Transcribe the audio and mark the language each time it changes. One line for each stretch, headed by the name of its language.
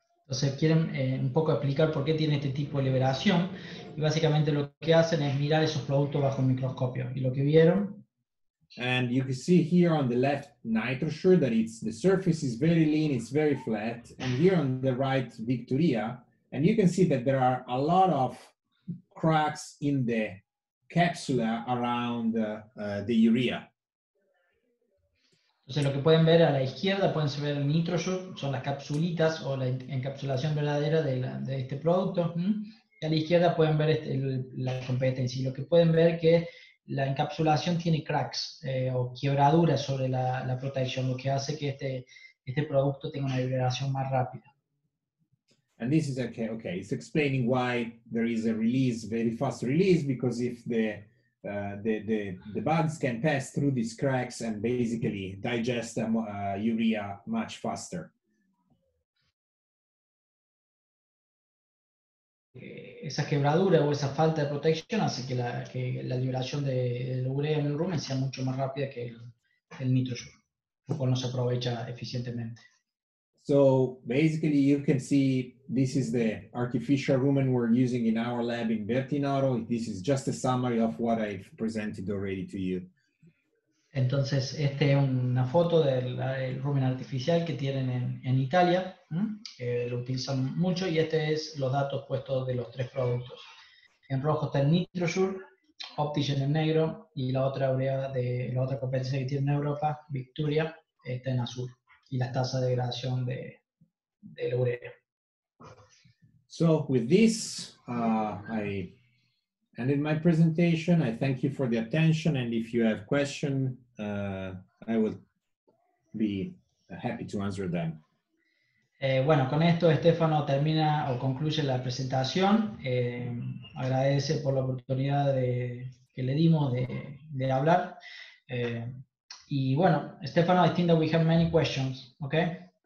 Spanish: Entonces quieren un poco explicar por qué tiene este tipo de liberación, y básicamente lo que hacen es mirar esos productos bajo el microscopio, y lo que vieron.
English: And you can see here on the left NitroSure that it's the surface is very lean, it's very flat, and here on the right Victoria, and you can see that there are a lot of cracks in the capsula around the urea.
Spanish: Entonces lo que pueden ver a la izquierda, pueden ver el NitroSure, son las capsulitas o la encapsulación verdadera de, la, de este producto. Y a la izquierda pueden ver este, la competencia. Y lo que pueden ver que la encapsulación tiene cracks o quebraduras sobre la protección, lo que hace que este producto tenga una liberación más rápida.
English: And this is okay. It's explaining why there is a release, very fast release, because if the bugs can pass through these cracks and basically digest them, urea much faster.
Spanish: Esa quebradura o esa falta de protección hace que la liberación de urea en el rumen sea mucho más rápida que el NitroSure, porque no se aprovecha eficientemente.
English: So basically, you can see this is the artificial rumen we're using in our lab in Bertinoro. This is just a summary of what I've presented already to you.
Spanish: Entonces, esta es una foto del rumen artificial que tienen en Italia. Lo utilizan mucho y este es los datos puestos de los tres productos. En rojo está el NitroSure, Optigen en negro y la otra urea de la otra competencia que tienen en Europa, Victoria, está en azul. Y la tasa de degradación de la urea.
English: So with this, I ended my presentation. I thank you for the attention, and if you have questions, I will be happy to answer them.
Spanish: Bueno, con esto Stefano termina o concluye la presentación. Agradece por la oportunidad que le dimos de hablar. Y bueno,
English: Stefano, I think that we have many questions, okay?